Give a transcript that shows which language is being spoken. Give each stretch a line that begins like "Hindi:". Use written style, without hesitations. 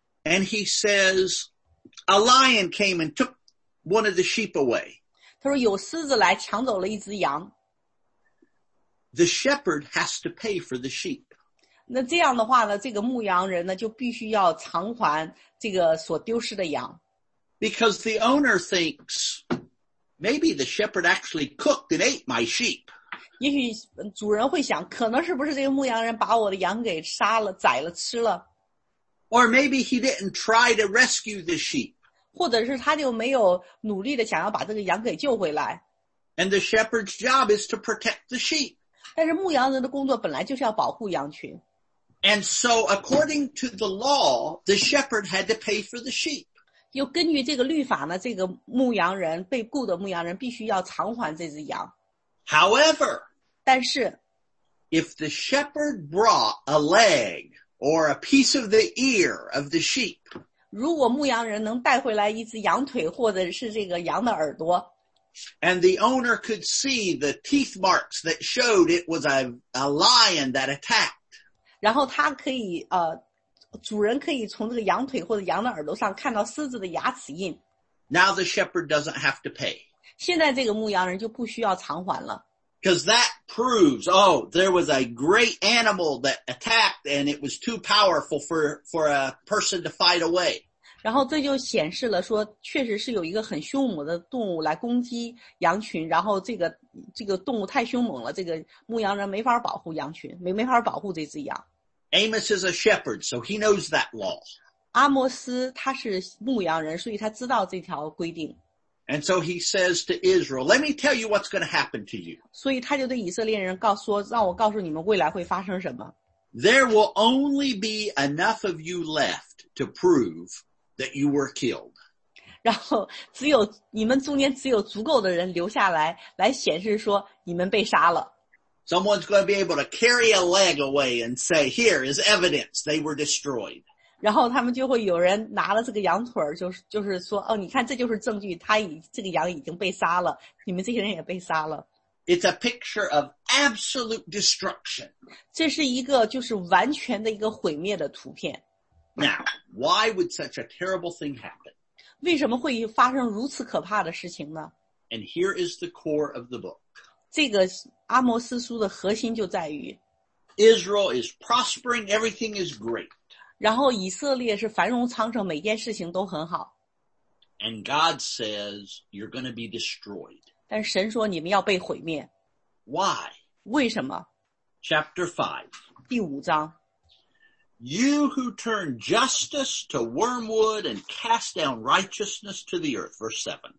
English: And he says, a lion came and took one of the sheep away.
Chinese: 他说有狮子来抢走了一只羊。
English: The shepherd has to pay for the sheep.
Chinese: 那这样的话呢，这个牧羊人呢就必须要偿还这个所丢失的羊。
English: Because the owner thinks maybe the shepherd actually cooked and ate my sheep.
Chinese: 也许主人会想，可能是不是这个牧羊人把我的羊给杀了、宰了、吃了。
English: Or maybe he didn't try to rescue the sheep.
Chinese: 或者是他就没有努力的想要把这个羊给救回来。
English: And the shepherd's job is to protect the sheep.
Chinese: 但是牧羊人的工作本来就是要保护羊群。
English: And so according to the law, the shepherd had to pay for the sheep.
Chinese: 又根据这个律法呢，这个牧羊人，被雇的牧羊人必须要偿还这只羊。
English: However,
Chinese: 但是
English: if the shepherd brought a leg or a piece of the ear of the sheep,
Chinese: 如果牧羊人能带回来一只羊腿或者是这个羊的耳朵，
English: And the owner could see the teeth marks that showed it was a lion that attacked.
Chinese: 然后他可以主人可以从这个羊腿或者羊的耳朵上看到狮子的牙齿印。
English: Now the shepherd doesn't have to pay.
Chinese: 现在这个牧羊人就不需要偿还了。
English: Because that proves, oh, there was a great animal that attacked and it was too powerful for a person to fight away.
Chinese: 然后这就显示了说确实是有一个很凶猛的动物来攻击羊群，然后这个动物太凶猛了，这个牧羊人没法保护羊群，没法保护这只羊。
English: Amos is a shepherd, so he knows that law.
Chinese: 阿摩斯他是牧羊人，所以他知道这条规定。
English: And so he says to Israel, let me tell you what's going to happen to you.
Chinese: 所以他就对以色列人告诉说，让我告诉你们未来会发生什么。
English: There will only be enough of you left to proveThat you were killed.
Chinese: 然后只有你们中间只有足够的人留下来，来显示说你们被杀了。
English: Someone's going to be able to carry a leg away and say, "Here is evidence they were destroyed."
Chinese: 然后他们就会有人拿了这个羊腿，就是说，哦，你看这就是证据，这个羊已经被杀了，你们这些人也被杀了。
English: It's a picture of absolute destruction.
Chinese: 这是一个就是完全的一个毁灭的图片。
English: Now, why would such a terrible thing happen?
Chinese: 为什么会发生如此可怕的事情呢？
English: And here is the core of the book.
Chinese: 这个阿摩斯书的核心就在于
English: Israel is prospering, everything is great.
Chinese: 然后以色列是繁荣昌盛，每件事情都很好。
English: And God says, you're going to be destroyed.
Chinese: 但神说你们要被毁灭。
English: Why?
Chinese: 为什么？
English: Chapter 5.
Chinese: 第五章。
English: You who turn justice to wormwood and cast down righteousness to the earth, verse 7.